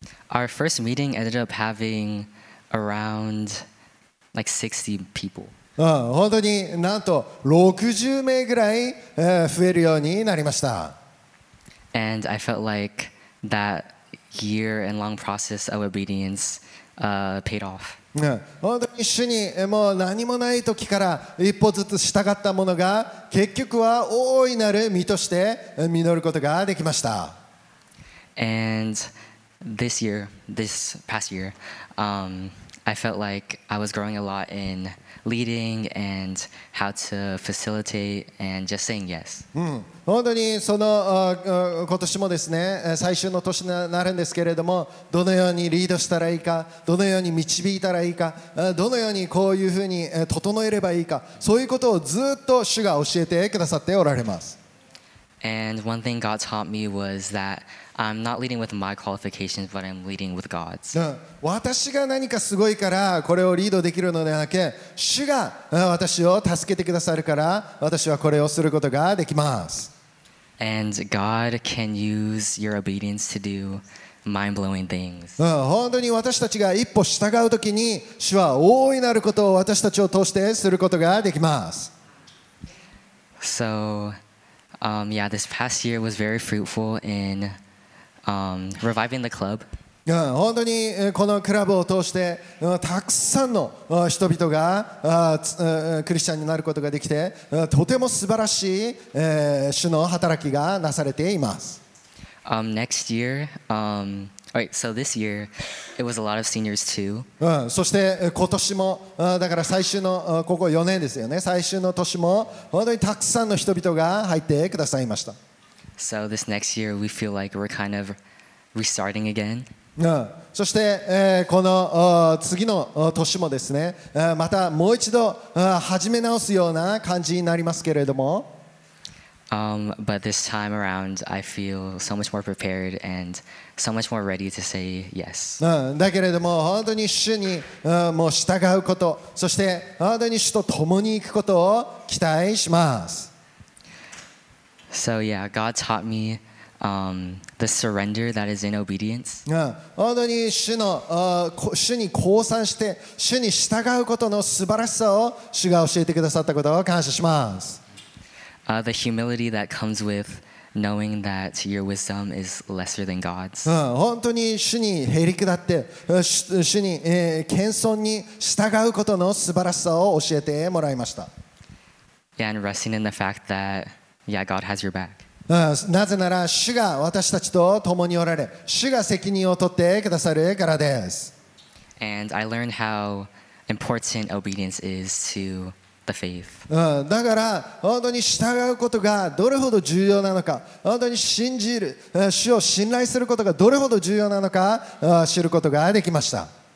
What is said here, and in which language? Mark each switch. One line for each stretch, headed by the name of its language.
English: Our first meeting ended up having around like 60 people.
Japanese: 本当になんと60名ぐらい増えるようになりました。
English: And I felt like that year and long process of obedience paid off.
Japanese: 本当に主にもう何もない時から一歩ずつ従ったものが結局は大いなる実として実ることができました。
English: And this year, this past year, I felt like I was growing a lot in leading and how to facilitate and just saying yes.
Japanese: 本当にその今年もですね、最終の年になるんですけれども、どのようにリードしたらいいか、どのように導いたらいいか、どのようにこういうふうに整えればいいか、そういうことをずっと主が教えてくださっておられます。
English: And one thing God taught me was that I'm not leading with my qualifications, but I'm leading with God's.
Japanese: 私が何かすごいからこれをリードできるのではなく、主が私を助けてくださるから私はこれをすることができます。
English: And God can use your obedience to do mind-blowing things.
Japanese: 本当に私たちが一歩従うときに主は大いなることを私たちを通してすることができます。
English: So,yeah, this past year was very fruitful in reviving the club.
Japanese: 本当にこのクラブを通してたくさんの人々がクリスチャンになることができて、とても素晴らしい主の働きがなされています。
English: Next year, right, so this year, it was a lot of seniors too.
Japanese: そして今年も、だから最終の、ここ4年ですよね。最終の年も本当にたくさんの人々が入ってくださいました。
English: So this next year, we feel like we're kind of restarting again.
Japanese: そして、この次の年もですね、またもう一度始め直すような感じになりますけれども。
English: But this time around, I feel so much more prepared and so much more ready to say yes.
Japanese: だけれども本当に主にもう従うこと、そして本当に主と共に行くことを期待します。
English: So yeah, God taught me the surrender that is in obedience.
Japanese: 本当に主に降参して主に従うことの素晴らしさを主が教えてくださったことを感謝します。
English: The humility that comes with knowing that your wisdom is lesser than God's.
Japanese: 本当に主にへりくだって、主に謙遜に従うことの素晴らしさを教えてもらいました。
English: Yeah, and resting in the fact that, yeah, God has your back.
Japanese: なぜなら主が私たちと共におられ、主が責任を取ってくださるからです。
English: And I learned how important obedience is to the faith.
Japanese: だから本当に従うことがどれほど重要なのか、本当に信じる、主を信頼することがどれほど重要なのか、知ることができました。